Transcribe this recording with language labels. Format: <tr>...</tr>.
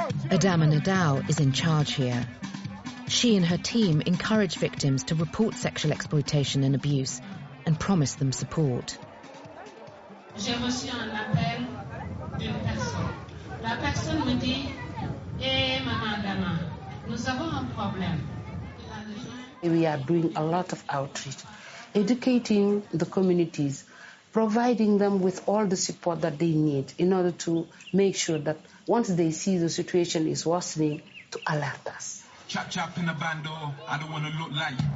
<en>Adama Nadao is in charge here. She and her team encourage victims to report sexual exploitation and abuse and promise them support.</en> <fr>j'ai reçu un appel d'une personne. La personne me dit, maman Adama, nous avons un problème.</fr> <en>We are doing a lot of outreach, educating the communities, providing them with all the support that they need in order to make sure that once they see the situation is worsening, to alert us. Chop, chop in the bando, I don't want to look like.</en>